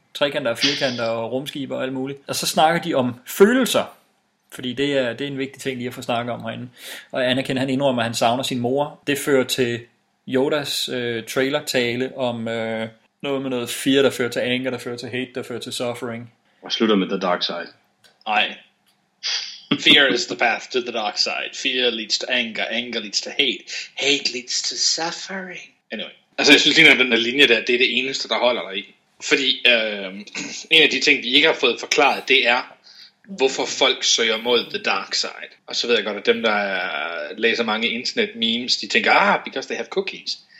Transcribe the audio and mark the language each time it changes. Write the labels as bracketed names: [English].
[Danish] Trekanter og firkanter og rumskiber og alt muligt. Og så snakker de om følelser. Fordi det er en vigtig ting lige at få snakket om herinde. Og Anakin han indrømmer, at han savner sin mor. Det fører til Yodas trailer-tale om noget med noget fear, der fører til anger, der fører til hate, der fører til suffering. Og slutter med The Dark Side. Ej. [English] Fear is the path to the dark side. Fear leads to anger. Anger leads to hate. Hate leads to suffering. Anyway. [Danish] Altså, jeg synes lige, at den der linje der, det er det eneste, der holder dig i. Fordi en af de ting, vi ikke har fået forklaret, det er, hvorfor folk søger mod the dark side. Og så ved jeg godt, at dem, der læser mange internet memes, de tænker, [English] because they have cookies.